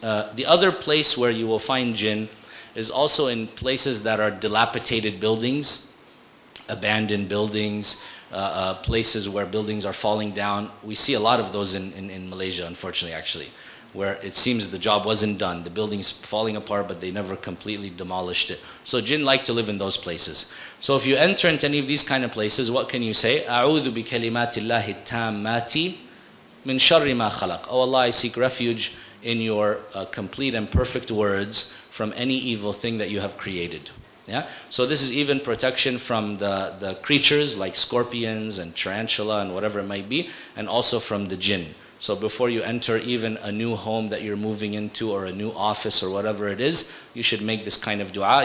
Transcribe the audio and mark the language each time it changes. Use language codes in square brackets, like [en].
[en] The other place where you will find jinn is also in places that are dilapidated buildings, abandoned buildings, places where buildings are falling down. We see a lot of those in Malaysia, unfortunately, actually, where it seems the job wasn't done. The building's falling apart, but they never completely demolished it. So jinn like to live in those places. So if you enter into any of these kind of places, what can you say? [ar] أعوذ بكلمات الله التامات من شر ما خلق. [en] Oh Allah, I seek refuge in your complete and perfect words from any evil thing that you have created. Yeah. So this is even protection from the creatures like scorpions and tarantula and whatever it might be, and also from the jinn. So before you enter even a new home that you're moving into or a new office or whatever it is, you should make this kind of dua.